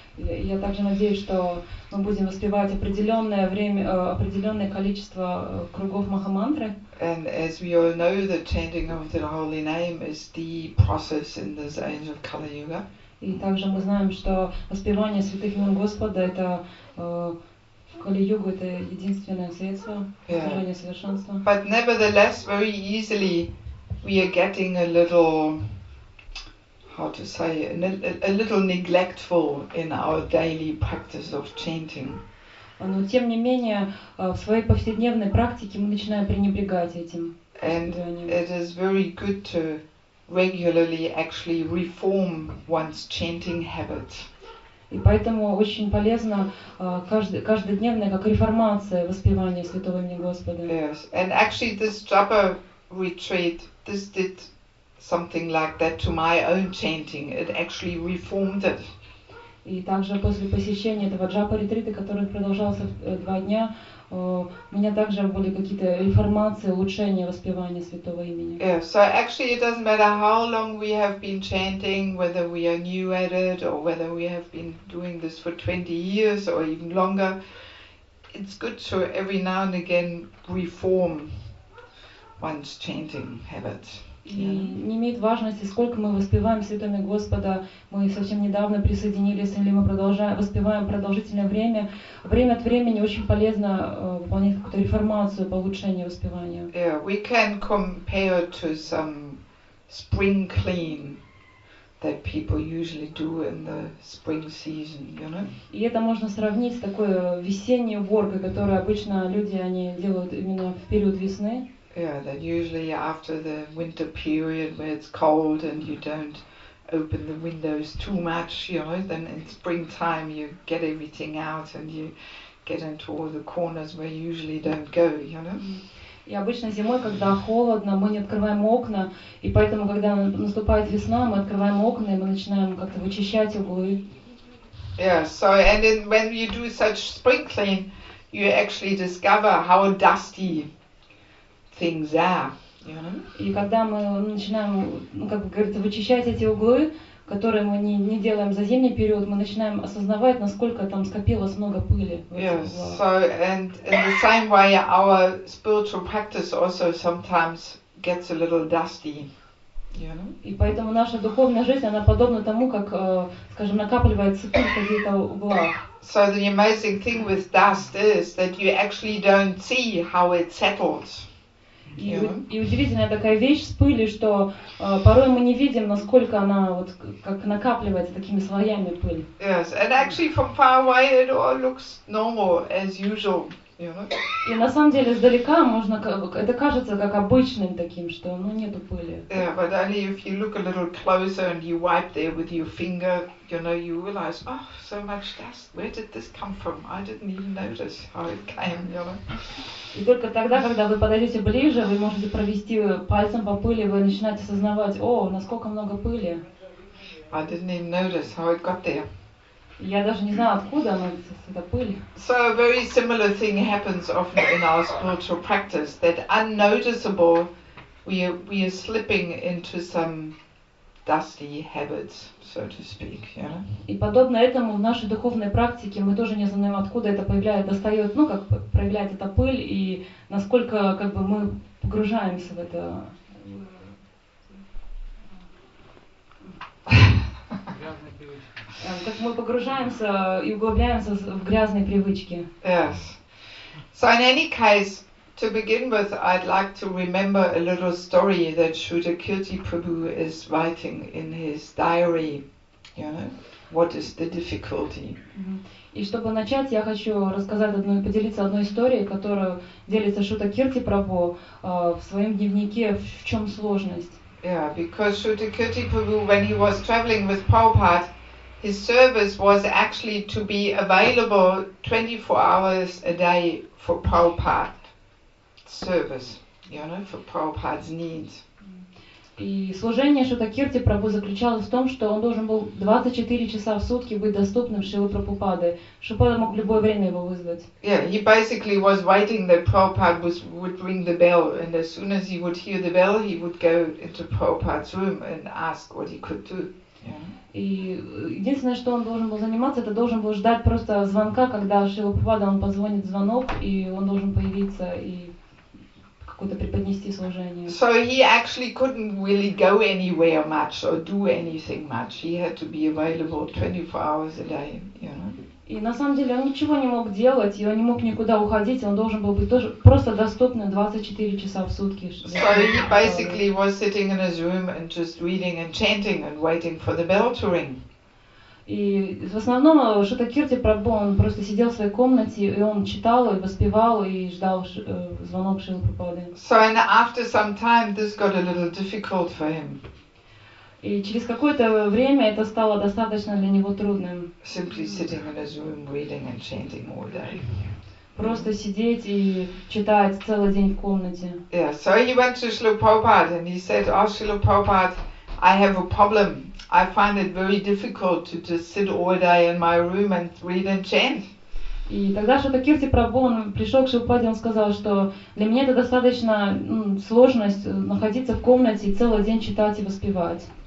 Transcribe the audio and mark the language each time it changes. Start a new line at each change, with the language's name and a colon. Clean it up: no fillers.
Russian: Я также надеюсь, что мы будем воспевать определенное время, определенное количество кругов Махамантры.
English: And as we all know, the chanting of the holy name is the process in the age of Kali Yuga.
Russian: И также мы знаем, что воспевание святых имен Господа это в Кали Югу это единственное средство достижения совершенства.
English: But nevertheless, very easily, we are getting a little. How to say a little neglectful in our daily practice of chanting.
Russian: Но тем не менее в своей повседневной практике мы начинаем пренебрегать этим.
English: And it is very good to regularly actually reform one's chanting habit.
Russian: И поэтому очень полезно каждодневное как реформация воспевания святого имени Господа.
English: Yes, and actually this Japa retreat this did. Something like that to my own chanting. It actually reformed it.
Russian: И также после посещения этого джапа ретрита, который продолжался два дня, у меня также были какие-то реформации, улучшения воспевания святого имени.
English: Yeah. So actually, it doesn't matter how long we have been chanting, whether we are new at it or whether we have been doing this for 20 years or even longer. It's good to every now and again reform one's chanting habits.
Russian: И не имеет важности, сколько мы воспеваем святое имя Господа, мы совсем недавно присоединились, или мы продолжаем воспеваем продолжительное время. Время от времени очень полезно выполнять какую-то реформацию по улучшению воспевания.
English: Yeah, we can compare to some spring clean that people usually do in the spring season, you know?
Russian: И это можно сравнить с такой весенней уборкой, которую обычно люди они делают именно в период весны.
English: Yeah, that usually after the winter period where it's cold and you don't open the windows too much, you know, then in springtime you get everything out and you get into all the corners where you usually don't go, you know.
Russian: И обычно зимой, когда холодно, мы не открываем окна, и поэтому, когда наступает весна, мы открываем окна и мы начинаем как-то вычищать углы.
English: Yeah, so and then when you do such spring clean, you actually discover how dusty. Things are.
Russian: И когда мы начинаем, ну как бы говорится, вычищать эти углы, которые мы не делаем за зимний период, мы начинаем осознавать, насколько там скопилось много пыли.
English: Yes. So and in the same way, our spiritual practice also sometimes gets a little dusty.
Russian: И поэтому наша духовная жизнь она подобна тому, как, скажем, накапливается пыль в каких-то углах.
English: So the amazing thing with dust is that you actually don't see how it settles.
Russian: И удивительная такая вещь с пылью, что порой мы не видим, насколько она вот как накапливается такими слоями пыли.
English: Yes, and actually from far away it all looks normal as usual, you know.
Russian: И на самом деле издалека можно это кажется как обычным таким, что ну нету пыли.
English: Yeah, but only if you look a little closer and you wipe there with your finger, you know, you realize, oh, so much dust. Where did this come from? I didn't even notice how it came, you know.
Russian: И только тогда, когда вы подойдете ближе, вы можете провести пальцем по пыли, вы начинаете осознавать, о, насколько много пыли.
English: I didn't even notice how it got there.
Russian: Я даже не знаю, откуда она эта пыль.
English: So a very similar thing happens often in our spiritual practice, that unnoticeable, we are slipping into some dusty habits, so to speak, you know?
Russian: И подобно этому в нашей духовной практике мы тоже не знаем, откуда это появляется, достает, ну как проявляет эта пыль и насколько как бы мы погружаемся в это. Как мы погружаемся и углубляемся в грязные привычки.
English: Yes. So in any case, to begin with, I'd like to remember a little story that Shuddha Kirti Prabhu is writing in his diary. You know, what is the difficulty?
Russian: И чтобы начать, я хочу рассказать одну, поделиться одной историей, которую делится Шута Кирти Прабху в своем дневнике. В чем сложность?
English: Yeah, because Shuddha Kirti Prabhu, when he was traveling with Prabhupada, his service was actually to be available 24 hours a day for Prabhupada. Service, you know, for Prabhupada's needs.
Russian: И служение Шута Кирти Прабху заключалось в том, что он должен был 24 часа в сутки быть доступным Шиле Прабхупаде. Шупада мог в любое время его вызвать.
English: Yeah, he basically was waiting that Prabhupada would ring the bell, and as soon as he would hear the bell, he would go into Prabhupada's room and ask what he could do. Yeah.
Russian: И единственное, что он должен был заниматься, это должен был ждать просто звонка, когда Шрила Прабхупада, он позвонит звонок, и он должен появиться и какое-то преподнести служение.
English: So he actually couldn't really go anywhere much or do anything much. He had to be available 24 hours a day, you know.
Russian: И на самом деле он ничего не мог делать, и он не мог никуда уходить, он должен был быть тоже просто доступным 24 часа в сутки.
English: So he basically was sitting in his room and just reading and chanting and waiting for the bell to ring.
Russian: И в основном Шута Кирти Прабху, он просто сидел в своей комнате, и он читал, и воспевал, и ждал звонок Шрилы Прабхупады.
English: So and after some time this got a little difficult for him.
Russian: И через какое-то время это стало достаточно для него трудным.
English: Simply sitting in his room, reading and chanting all day.
Russian: Просто сидеть и читать целый день в комнате.
English: Yeah, so he went to Srila Prabhupada and he said, "Oh, Srila Prabhupada, I have a problem. I find it very difficult to just sit all day in my room and read and chant."
Russian: И тогда Шута Кирти Прабху, он пришел к Шилпаде, он сказал, что для меня это достаточно сложность находиться в комнате и целый день читать и воспевать.